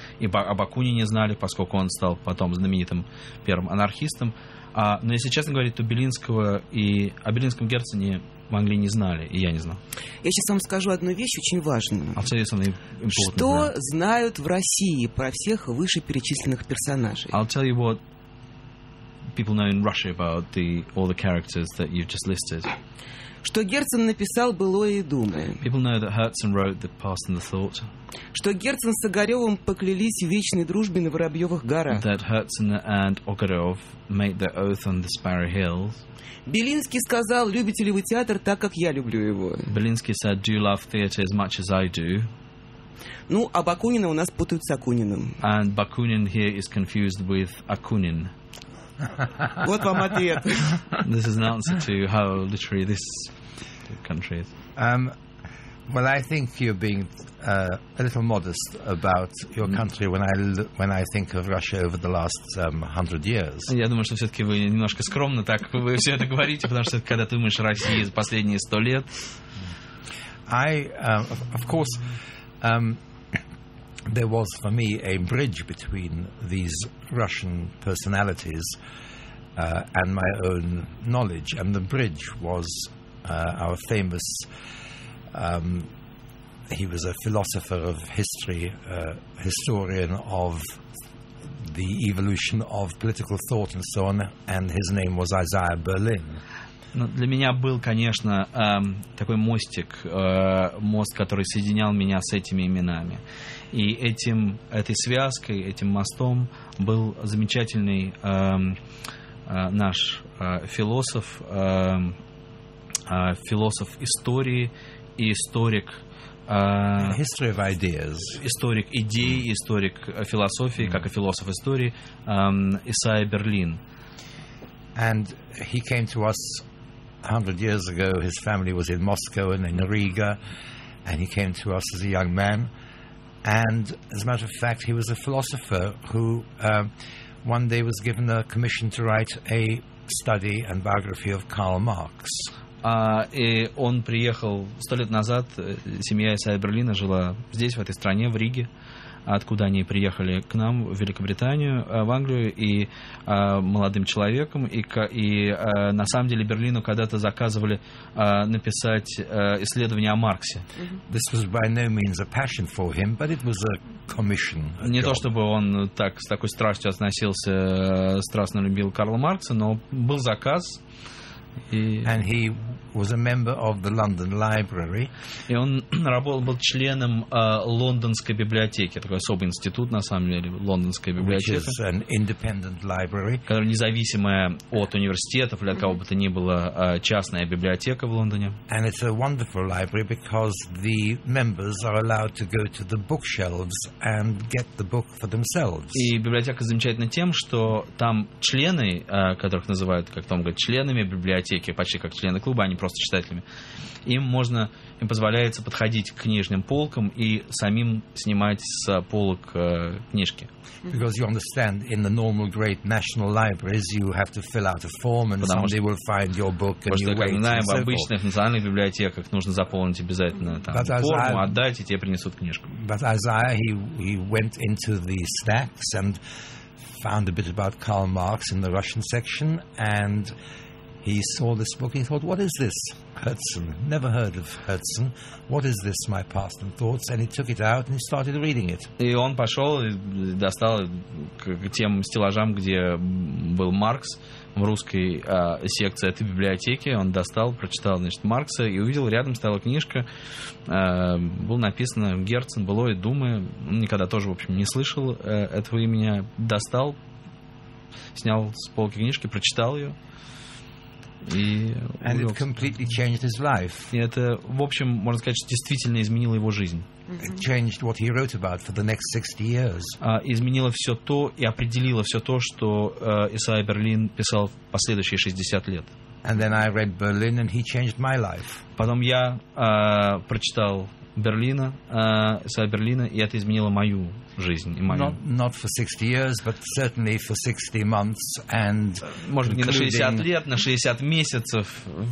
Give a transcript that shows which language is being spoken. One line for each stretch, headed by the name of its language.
Russian: И о Бакунине знали, поскольку он стал потом знаменитым первым анархистом. Но, если честно говорить, то Белинского и о Белинском Герцене в Англии не знали, и я не знал. Я сейчас вам скажу одну вещь очень важную. Абсолютно. Что знают в России про всех вышеперечисленных персонажей?
English: I'll tell you what people know in Russia about the all the characters that you've just listed.
Russian: Что Герцен написал «Былое и думы».
English: People know that Herzen wrote The Past and the Thought.
Russian: Что Герцен с Огарёвым поклялись в вечной дружбе на Воробьёвых горах.
English: That Herzen and Ogarev made their oath on the Sparrow Hills.
Russian: Белинский сказал, любите ли вы театр так, как я люблю его.
English: Белинский said, do you love theater as much as I do?
Russian: Ну, а Бакунина у нас путают с Акуниным.
English: And Bakunin here is confused with Akunin.
Russian: Вот вам ответ.
English: This is an answer to how literary this country is. Well, I think you're being a little modest about your country when I think of Russia over the last 100 years.
Russian: Я думаю, что все-таки вы немножко скромно так вы все это говорите, потому что когда ты думаешь о России за последние 100 лет.
English: Of course, there was for me a bridge between these Russian personalities and my own knowledge, and the bridge was our famous. He was a philosopher of history, historian of the evolution of political thought and so on, and his name was Isaiah Berlin.
Russian: Ну, для меня был, конечно, такой мостик, мост, который соединял меня с этими именами. И этим, этой связкой, этим мостом был замечательный наш философ, философ истории и историк.
English: History of ideas.
Russian: Историк идей, историк философии, как и философ истории, Исайя Берлин.
English: And he came to us 100 years ago. His family was in Moscow and in Riga, and he came to us as a young man. And as a matter of fact, he was a philosopher who one day was given a commission to write a study and biography of Karl Marx.
Russian: И он приехал 100 лет назад, семья Исаия Берлина жила здесь, в этой стране, в Риге, откуда они приехали к нам, в Великобританию, в Англию, и молодым человеком, и на самом деле Берлину когда-то заказывали написать исследование о Марксе.
English: This was by no means a passion for him, but it was a commission.
Russian: Не то чтобы он так с такой страстью относился, страстно любил Карла Маркса, но был заказ.
English: And he was a member of the London Library.
Russian: И он работал, был членом лондонской библиотеки, такой особый институт, на самом деле, лондонская библиотека.
English: Which is an independent library.
Russian: Которая независимая от университетов, или от кого бы то ни было, частная библиотека в Лондоне.
English: And it's a wonderful library because the members are allowed to go to the bookshelves and get the book for themselves.
Russian: И библиотека замечательна тем, что там члены, которых называют, как Том говорит, членами библиотеки, почти как члены клуба, а не просто читателями, им позволяется подходить к книжным полкам и самим снимать с полок книжки.
English: Because you understand, in the normal great national libraries, you have to fill out a form, and somebody will find your book, and you wait.
Russian: Потому что, как мы знаем, в обычных национальных библиотеках нужно заполнить обязательно там форму, отдать, и тебе принесут книжку.
English: But Isaiah, he went into the stacks and found a bit about Karl Marx in the Russian section, and he saw this book and he thought, what is this? Herzen. Never heard of Herzen. What is this, my past and thoughts? And he took it out and he started reading it.
Russian: И он пошел и достал к тем стеллажам, где был Маркс, в русской секции этой библиотеки. Он достал, прочитал, значит, Маркса и увидел, рядом стояла книжка. Было написано Герцен, было и Думы. Он никогда тоже, в общем, не слышал этого имени. Достал, снял с полки книжки, прочитал ее.
English: And it completely changed his life.
Russian: И это, в общем, можно сказать, что действительно изменило его жизнь.
English: It changed what he wrote about for the next 60 years.
Russian: Изменило все то и определило все то, что Исаия Берлин писал в последующие 60 лет.
English: And then I read Berlin and he changed my life.
Russian: Потом я прочитал Берлина, Исаия Берлина, и это изменило мою жизнь и мою.
English: Not for 60 years, but certainly for 60 months and
Russian: может быть, не на 60 лет, на 60 месяцев.